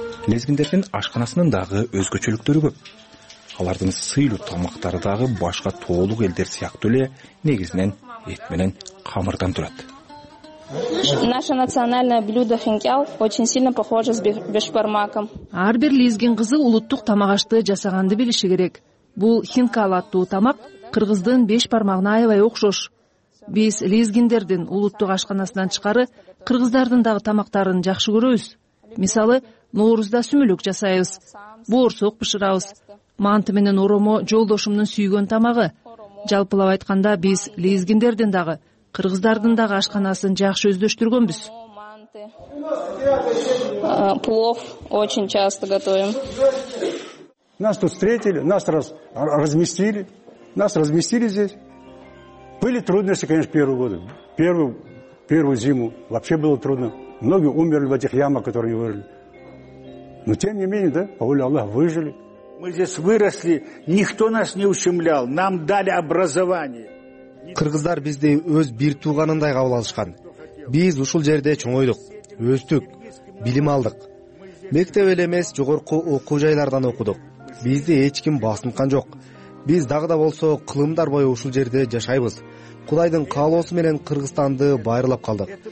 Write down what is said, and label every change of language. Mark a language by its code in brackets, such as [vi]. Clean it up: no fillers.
[ky] Лезгиндердин ашканасынын дагы өзгөчөлүктөрү көп. Алардын сыйлуу тамактары дагы башка тоолук элдер сыяктуу эле негизинен эт менен камырдан турат. [ru] Наше национальное блюдо хинкал очень сильно похоже с бешбармаком. [ky] Ар бир лезгин кызы улуттук тамак ашты жасаганды билиши керек. Бул хинкал аттуу тамак кыргыздын беш бармагына аябай окшош. Биз лезгиндердин улуттук ашканасынан чыгары кыргыздардын дагы тамактарын жакшы көрөбүз. Мисалы, Ноорузда сүмүлүк жасайбыз, боорсок пышырабыз, манты менен оромо жолдошумдун сүйгөн тамагы. Жалпылап айтканда, биз лезгиндердин дагы кыргыздардын дагы ашканасын жакшы өздөштүргөнбүз. [ru] Плов очень часто готовим. Нас тут встретили, нас разместили. Нас разместили здесь. Были трудности, конечно, первые годы. Первую зиму вообще было трудно. Многие умерли в этих ямах, которые они вырыли. Но тем не менее, да, по воле Аллаха, выжили. Мы здесь выросли, никто нас не ущемлял. Нам дали образование. [ky] Кыргыздар бизди өз бир тууганындай кабыл алышкан. Биз ушул жерде чоңойдук, өстүк, билим алдык. Мектеп эле эмес, жогорку окуу жайлардан окудук. Бизди эч ким басынткан жок. Биз дагы да болсо кылымдар бою ушул жерде жашайбыз. Кудайдын каалоосу менен Кыргызстанды байырлап калдык.